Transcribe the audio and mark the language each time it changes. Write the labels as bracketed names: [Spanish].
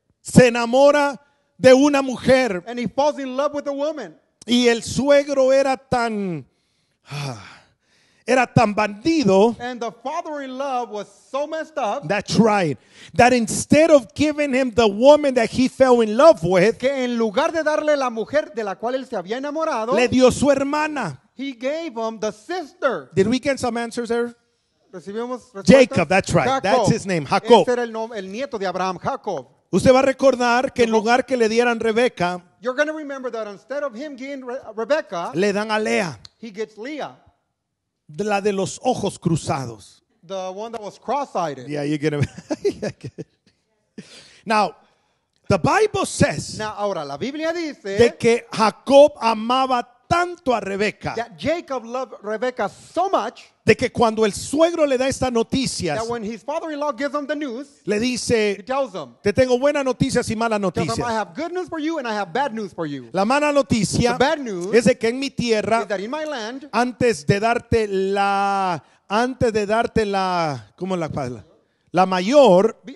[Spanish] Se enamora de una mujer. [English] And he falls in love with a woman. [Spanish] Y el suegro era tan bandido. [English] And the father-in-law was so messed up. That's right. That instead of giving him the woman that he fell in love with, [Spanish] que en lugar de darle la mujer de la cual él se había enamorado, le dio su hermana. [English] He gave him the sister. Did we get some answers there? [Spanish] ¿Recibimos respuestas? [English] Jacob, that's right. Jacob. That's his name, Jacob. [Spanish] Ese era el nieto de Abraham, Jacob. Usted va a recordar que en lugar que le dieran Rebeca, [English] you're going to remember that instead of him giving Rebeca, [Spanish] le dan a Lea. [English] He gets Leah. [Spanish] La de los ojos cruzados. [English] The one that was cross-eyed. Yeah, you're going to... Now, the Bible says... [Spanish] Now, ahora, la Biblia dice... De que Jacob amaba tanto a Rebeca. [English] That Jacob loved Rebeca so much... [Spanish] De que cuando el suegro le da estas noticias... [English] That when his father-in-law gives him the news... [Spanish] Le dice... [English] He tells him... [Spanish] Te tengo buenas noticias y malas noticias. [English] I have good news for you and I have bad news for you. [Spanish] La mala noticia... [English] The bad news... [Spanish] Es de que en mi tierra... [English] Is that in my land... [Spanish] Antes de darte la... ¿Cómo la palabra? La mayor...